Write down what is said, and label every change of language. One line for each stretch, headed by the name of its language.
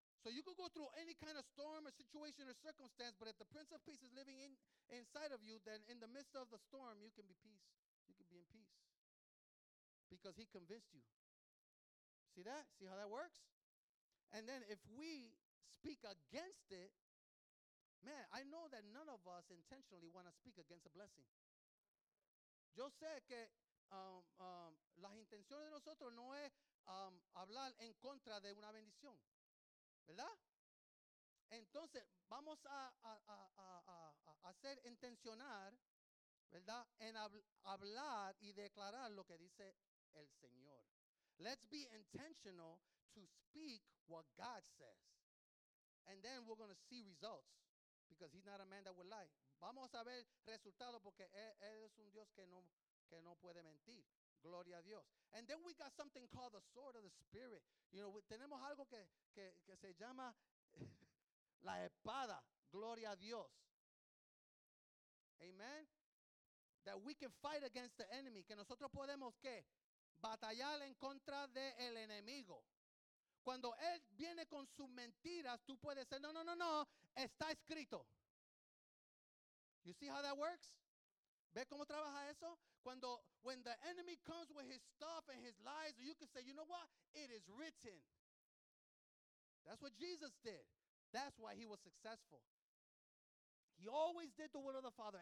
English: So you could go through any kind of storm or situation or circumstance, but if the Prince of Peace is living inside of you, then in the midst of the storm, you can be peace. You can be in peace because he convinced you. See that? See how that works? And then if we speak against it, man, I know that none of us intentionally want to speak against a blessing.
Spanish: Yo sé que las intenciones de nosotros no es hablar en contra de una bendición. ¿Verdad? Entonces, vamos a hacer intencionar, ¿verdad? En hablar y declarar lo que dice el Señor.
English: Let's be intentional to speak what God says. And then we're going to see results. Because he's not a man that will lie.
Spanish: Vamos a ver resultado porque él es un Dios que no puede mentir. Gloria a Dios.
English: And then we got something called the sword of the spirit. You know,
Spanish: tenemos algo que se llama la espada. Gloria a Dios. Amen.
English: That we can fight against the enemy.
Spanish: Que nosotros podemos, ¿qué? Batallar en contra del enemigo. Cuando él viene con sus mentiras, tú puedes decir, no, está escrito.
English: You see how that works?
Spanish: ¿Ve cómo trabaja eso?
English: Cuando, when the enemy comes with his stuff and his lies, you can say, you know what? It is written. That's what Jesus did. That's why he was successful. He always did the will of the Father.